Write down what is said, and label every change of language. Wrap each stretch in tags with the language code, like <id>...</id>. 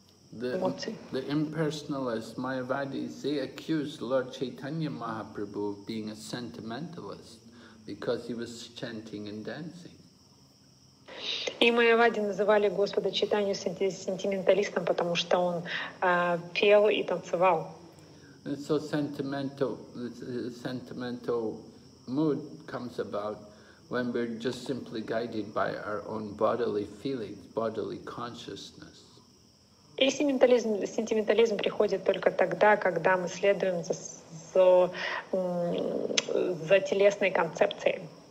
<en>The impersonalist Mayavadis, they accused Lord Chaitanya Mahaprabhu of being a sentimentalist because he was chanting and dancing.</en> <ru>И Майавади называли Господа Чайтанью сентименталистом, потому что он пел и танцевал.</ru> <en>And so sentimental mood comes about when we're just simply guided by our own bodily feelings, bodily consciousness.</en> <ru>И сентиментализм приходит только тогда, когда мы следуем за телесной концепцией.</ru>